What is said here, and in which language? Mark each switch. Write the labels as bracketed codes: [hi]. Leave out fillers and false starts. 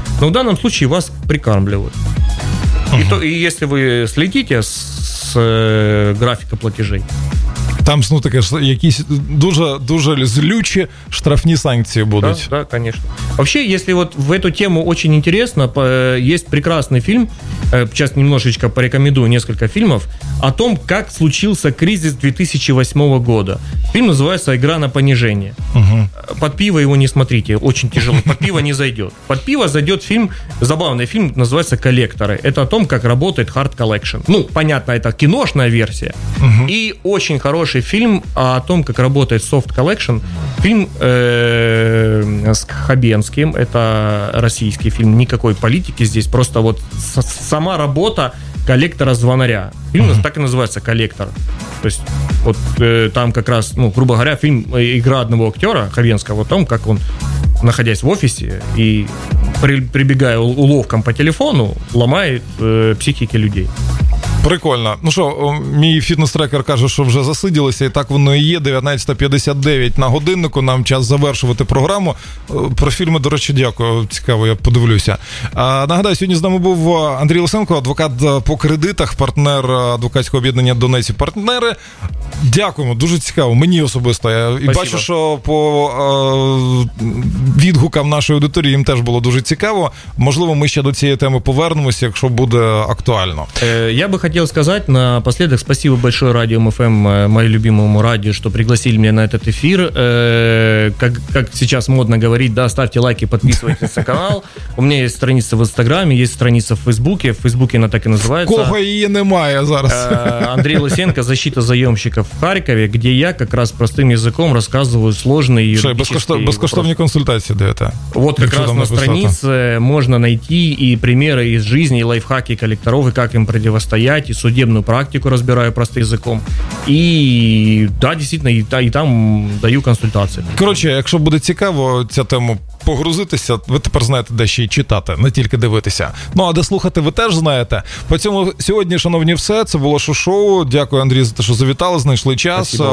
[ru] Но в данном случае вас прикармливают. И если вы следите с графика платежей. [uk] Там, ну, таке, якісь дуже злючі штрафні санкції будуть. [ru] Да, конечно. Вообще, если вот в эту тему очень интересно, есть прекрасный фильм, сейчас немножечко порекомендую несколько фильмов, о том, как случился кризис 2008 года. Фильм называется «Игра на понижение». Угу. Под пиво его не смотрите, очень тяжело, под пиво не зайдет. Под пиво зайдет фильм, забавный фильм, называется «Коллекторы». Это о том, как работает Hard Collection. Ну, понятно, это киношная версия. И очень хороший фильм о том, как работает Soft Collection. Фильм с Хабенским. Это российский фильм. Никакой политики здесь. Просто вот сама работа коллектора-звонаря. Фильм так и называется «Коллектор». То есть вот там как раз, ну, грубо говоря, фильм, игра одного актера Хабенского о том, как он, находясь в офисе и прибегая уловкам по телефону, ломает психики людей. Прикольно. [uk] Ну що, мій фітнес-трекер каже, що вже засиділися, і так воно і є, 19:59 на годиннику, нам час завершувати програму. Про фільми, до речі, дякую, цікаво, я подивлюся. Нагадаю, сьогодні з нами був Андрій Лисенко, адвокат по кредитах, партнер адвокатського об'єднання «Донецькі партнери». Дякуємо, дуже цікаво, мені особисто. Я і бачу, що по відгукам нашої аудиторії їм теж було дуже цікаво. Можливо, ми ще до цієї теми повернемося, якщо буде актуально. [ru] Я би хотел сказать напоследок спасибо большое радио МФМ, моему любимому радио, что пригласили меня на этот эфир. Как сейчас модно говорить, да, ставьте лайки, подписывайтесь на канал. У меня есть страница в Инстаграме, есть страница в Фейсбуке. В Фейсбуке она так и называется. [uk] Кого ее немає зараз? [ru] Андрей Лысенко, защита заемщиков в Харькове, где я как раз простым языком рассказываю сложные юридические вопросы. Безкоштовные консультации да это. Вот как раз на странице можно найти и примеры из жизни, и лайфхаки коллекторов, и как им противостоять. И судебную практику разбираю простым языком. И да, действительно, и там даю консультации. [uk] Короче, якщо буде цікаво ця тема погрузитися, ви тепер знаєте, де ще й читати, не тільки дивитися. Ну, а де слухати, ви теж знаєте. По цьому сьогодні, шановні, все. Це було шоу. Дякую, Андрій, за те, що завітали, знайшли час.